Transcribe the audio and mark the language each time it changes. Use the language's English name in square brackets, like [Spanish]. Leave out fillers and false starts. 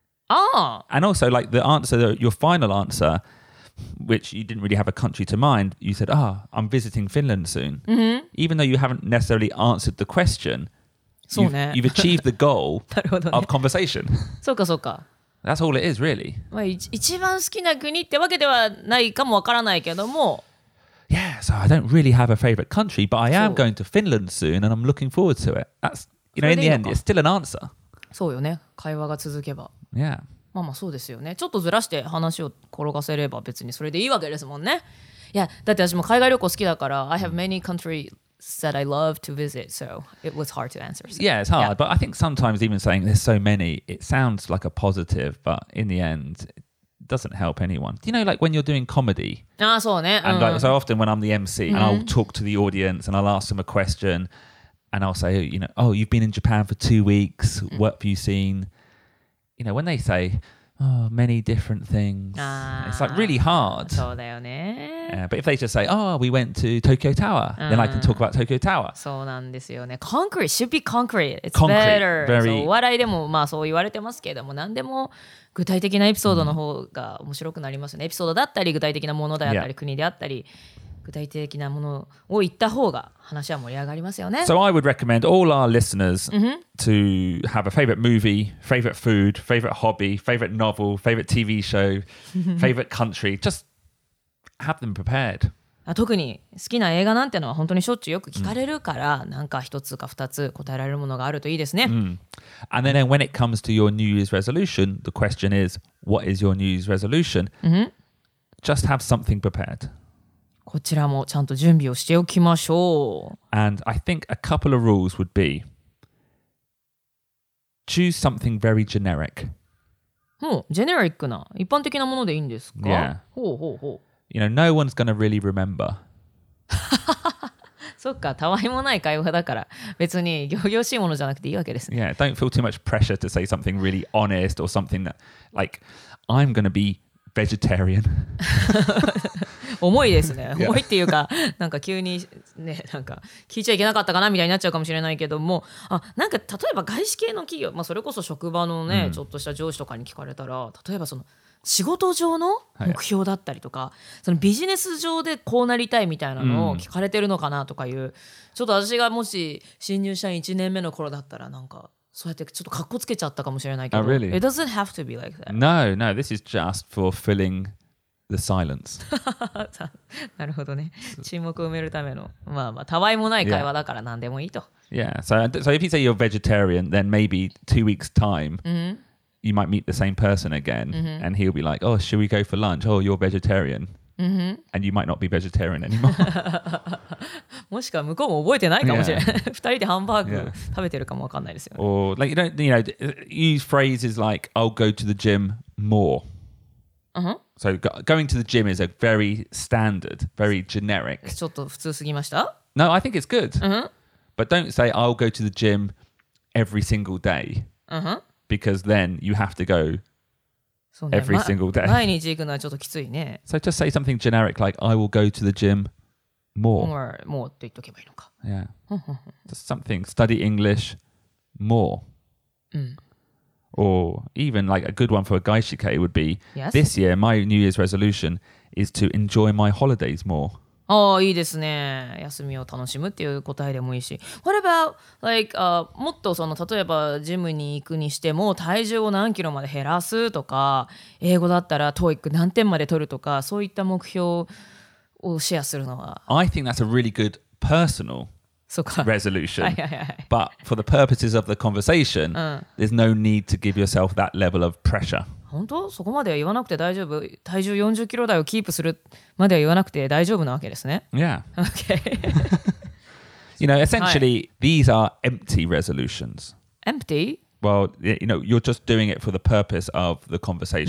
[English] And also, like the answer, your final answer, which you didn't really have a country to mind, you said, ah, I'm visiting Finland soon. Even though you haven't necessarily answered the question, you've achieved the goal of conversation. [Japanese] そうかそうか。 [English] That's all it is, really. [Japanese] まあ、一番好きな国ってわけではないかもわからないけども。 [English] Yeah, so I don't really have a favorite country, but I am going to Finland soon and I'm looking forward to it. That's, you know, in the end, it's still an answer. [Japanese] そうよね。会話が続けば。 [English] Yeah. [Japanese] まあまあそうですよね。ちょっとずらして話を転がせれば別にそれでいいわけですもんね。いや、だって私も海外旅行好きだから、 [English] I have many countries that I love to visit, so it was hard to answer. So. Yeah, it's hard, yeah. But I think sometimes even saying there's so many, it sounds like a positive, but in the end, it doesn't help anyone. You know, like when you're doing comedy. [Japanese] ああ、そうね。 [English] And like, so often when I'm the MC, and I'll talk to the audience, and I'll ask them a question, and I'll say, you know, oh, you've been in Japan for 2 weeks, what have you seen? You know, when they say, oh, many different things, it's like really hard. [Japanese] そうだよね。 [English] But if they just say, oh, we went to Tokyo Tower, then I can talk about Tokyo Tower. [Japanese] そうなんですよね。 [English] Concrete should be concrete. It's better. Very... [Japanese] So, 笑いでもまあそう言われてますけども、何でも具体的なエピソードの方が面白くなりますよね。エピソードだったり、具体的なものであったり、国であったり、具体的なものを言った方が話は盛り上がりますよね。 [English] So I would recommend all our listeners to have a favorite movie, favorite food, favorite hobby, favorite novel, favorite TV show, favorite country. Just have them prepared. [Japanese] 特に好きな映画なんてのは本当にしょっちゅうよく聞かれるから、なんか一つか二つ答えられるものがあるといいですね。 [English] And then when it comes to your New Year's resolution, the question is, what is your New Year's resolution? Just have something prepared. [Japanese] こちらもちゃんと準備をしておきましょう。 [English] And I think a couple of rules would be choose something very generic. [Japanese] ほう、ジェネリックな、一般的なものでいいんですか? [English] Yeah. [Japanese] ほうほうほう。 [English] You know, no one's gonna really remember. [Japanese] そっか、たわいもない会話だから、別に仰々しいものじゃなくていいわけですね。 [English] Yeah, don't feel too much pressure to say something really honest or something that, like, I'm gonna be vegetarian. [Japanese] 重いですね。重いっていうか、なんか急にね、なんか聞いちゃいけなかったかなみたいになっちゃうかもしれないけども、あ、なんか例えば外資系の企業、まあそれこそ職場のね、ちょっとした上司とかに聞かれたら、例えばその仕事上の目標だったりとか、そのビジネス上でこうなりたいみたいなのを聞かれてるのかなとかいう、ちょっと私がもし新入社員1年目の頃だったら、なんかそうやってちょっとカッコつけちゃったかもしれないけど、 [English] Oh, really? It doesn't have to be like that. No, no, this is just for filling... the silence. [Japanese] なるほどね。沈黙を埋めるための、まあまあ、たわいもない会話だから何でもいいと。 [English] Yeah, so if you say you're vegetarian, then maybe 2 weeks time,、 mm-hmm. you might meet the same person again,、 mm-hmm. and he'll be like, oh, should we go for lunch? Oh, you're vegetarian.、 Mm-hmm. And you might not be vegetarian anymore. [Japanese] もしくは向こうも覚えてないかもしれない。二人でハンバーグ食べてるかもわかんないですよ、ね。 [English] Or, like, you don't, you know, use phrases like, I'll go to the gym more. Uh-huh. So going to the gym is a very standard, very generic. [Japanese] ちょっと普通すぎました? [English] No, I think it's good. Uh-huh. But don't say, I'll go to the gym every single day. Uh-huh. Because then you have to go every single day. [Japanese] 毎日行くのはちょっときついね。 [English] So just say something generic like, I will go to the gym more. [Japanese] More って言っとけばいいのか。 [English] Yeah. Just something, study English more. うん。 Or even like a good one for a gaishike would be、 yes. this year, my New Year's resolution is to enjoy my holidays more. [Japanese] Oh, いいですね。休みを楽しむっていう答えでもいいし。 [English] What about like, [Japanese] もっとその例えばジムに行くにしても体重を何キロまで減らすとか、英語だったら TOEIC 何点まで取るとか、そういった目標をシェアするのは。 [English] I think that's a really good personal. Resolution. [Japanese] はいはいはい、はい、 [English] but for the purposes of the conversation, 、うん、 there's no need to give yourself that level of pressure. [Japanese] 本当? そこまでは言わなくて大丈夫。体重40キロ台をキープするまでは言わなくて大丈夫なわけですね。 [English] Yeah. Okay. you know, essentially, 、はい、these are empty resolutions. Empty? Well, you know, you're just doing it for the purpose of the conversation.